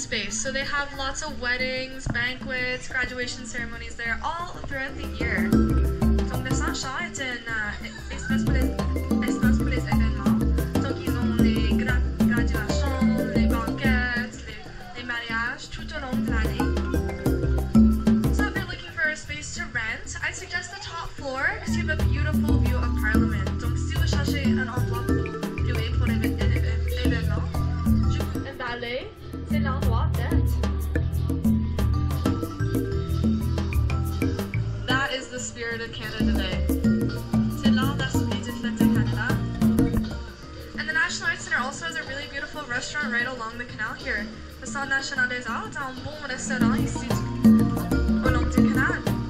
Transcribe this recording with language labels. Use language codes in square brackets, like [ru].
[en] So they have lots of weddings, banquets, graduation ceremonies there all throughout the year. [fr] Donc le Saint-Charles est un espace pour les événements. Donc ils ont les graduations, les banquets, les mariages tout au long de l'année. [en] So if you're looking for a space to rent, I suggest the top floor because you have a beautiful view of Parliament. [fr] Donc si vous cherchez un endroit loué pour les événements, je vous c'est l'endroit d'être. [en] That is the spirit of Canada today. [fr] C'est là l'esprit de fête de Canada. [en] And the National Arts Center also has a really beautiful restaurant right along the canal here. [fr] Le Centre National des Arts a un bon restaurant ici au long du canal.